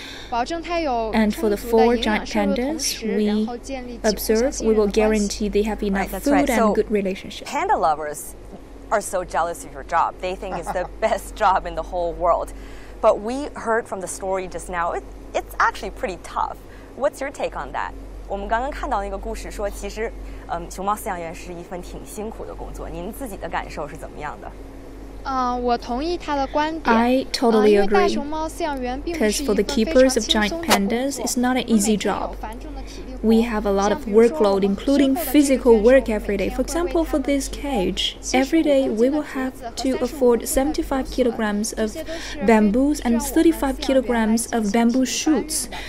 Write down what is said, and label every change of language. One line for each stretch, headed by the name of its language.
English: And for the four giant pandas we observe, we will guarantee they have enough food and good relationships. Panda lovers are so jealous of your job. They think it's the best job in the whole world. But we heard from the story just now, it's actually pretty tough. What's your take on that?
Chinese: 我们刚刚看到那个故事说其实熊猫饲养员是一份挺辛苦的工作。您自己的感受是怎么样的？
English: I totally agree, because for the keepers of giant pandas, it's not an easy job. We have a lot of workload, including physical work every day. For example, for this cage, every day we will have to afford 75 kilograms of bamboos and 35 kilograms of bamboo shoots.